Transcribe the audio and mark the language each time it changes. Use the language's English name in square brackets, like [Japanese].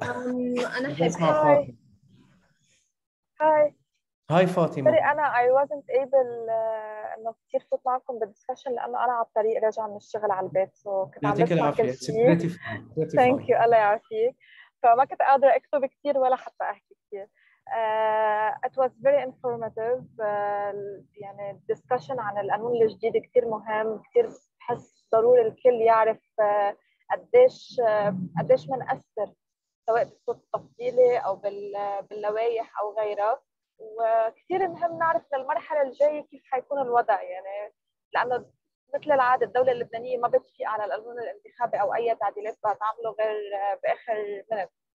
[Arabic] أنا هاي فاطمة. سوري أنا [English] I wasn't able [Arabic] إنه كتير فوت معكم بالدسكشن لأنه أنا على الطريق راجع من الشغل على البيت وكنت عم بسمع. [English] Thank you [Arabic] الله يعافيك. فما كنت قادرة أكتب كتير ولا حتى أحكي كتير. [English] It was very informative. [Arabic] يعني الدسكشن عن القانون الجديد كتير مهم، كتير بحس ضروري الكل يعرف قديش منأثر سواء بالصوت التفصيلي أو باللوائح أو غيرها، وكثير مهم نعرف للمرحلة الجاية كيف حيكون الوضع، يعني لأنه مثل العادة الدولة اللبنانية ما بتفيق على القانون الانتخابي أو أي تعديلات بتعمله غير بآخر منت.